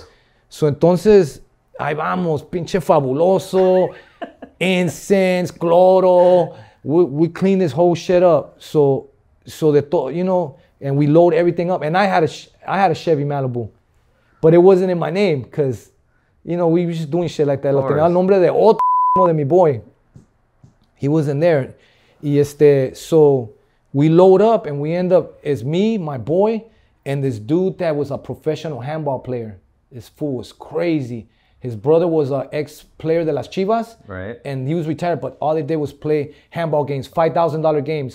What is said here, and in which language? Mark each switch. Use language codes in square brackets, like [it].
[es] Left. So entonces, ahí vamos, pinche fabuloso, incense, cloro. [en] We clean this whole shit up. So they thought, you know, and we load everything up. And I had a Chevy Malibu, but it wasn't in my name because you know, we were just doing shit like that. [es] Lo tenía el nombre de otro de mi boy. [en] He wasn't there. [es] Y este, [en] so we load up and we end up, it's me, my boy, and this dude that was a professional handball player. This fool was crazy. His brother was an ex-player [es] de las Chivas. [en] Right. And he was retired, but all they did was play handball games, $5,000 games.